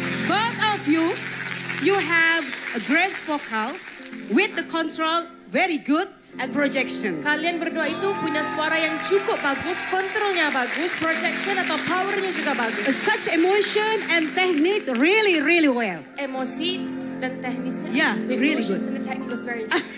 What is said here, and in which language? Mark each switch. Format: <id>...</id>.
<en>Both of you, you have a great vocal. With the control very good and projection.</en> <id>Kalian berdua itu punya suara yang cukup bagus, kontrolnya bagus, projection atau powernya juga bagus.</id> <en>Such emotion and technique really really well.</en> <id>Emosi dan teknisnya.</id> <en>Yeah, really good. And the technique was very.</en>